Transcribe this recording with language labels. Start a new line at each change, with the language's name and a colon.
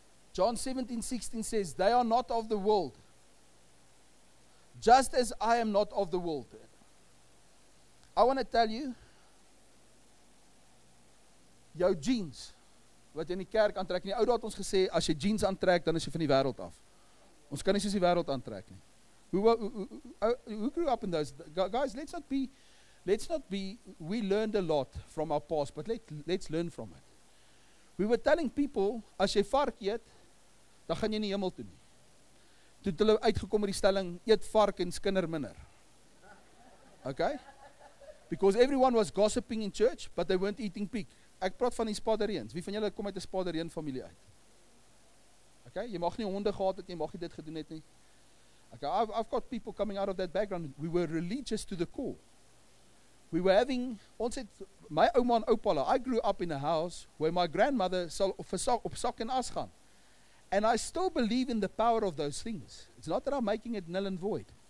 English: John 17:16 says, they are not of the world. Just as I am not of the world. I want to tell you,
Afrikaans: jou jeans, wat jy in die kerk aantrek, en die oude had ons gesê, as jy jeans aantrek, dan is jy van die wereld af. Ons kan nie soos die wereld aantrek nie.
English: Who grew up in those? Guys, let's not be, we learned a lot from our past, but let's learn from it. We were telling people,
Afrikaans: as jy vark eet, dan gaan jy nie hemel toe nie. Toe hulle uitgekom met die stelling, eet vark en skinder minder. Okay?
English: Because everyone was gossiping in church, but they weren't eating pig.
Afrikaans: Ek praat van die spadereens. Wie van julle kom uit die spadereen familie uit? Okay? Jy mag nie honde gehad het, jy mag nie dit gedoen het nie.
English: Okay, I've got people coming out of that background. We were religious to the core. We were having,
Afrikaans: ons het, my ouma en oupa,
English: I grew up in a house where my grandmother
Afrikaans: sal op sak en as gaan.
English: And I still believe in the power of those things. It's not that I'm making it null and void.